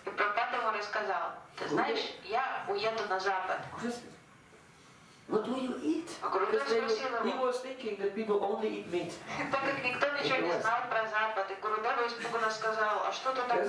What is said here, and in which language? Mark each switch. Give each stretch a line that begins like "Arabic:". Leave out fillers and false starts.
Russian: И Прабхупада ему рассказал, ты знаешь, я уеду на Запад.
English: What will you eat? Because he was thinking that people only eat meat.
Russian: Так как никто ничего не знал про Запад, и Гурудева испуганно сказал, а что ты так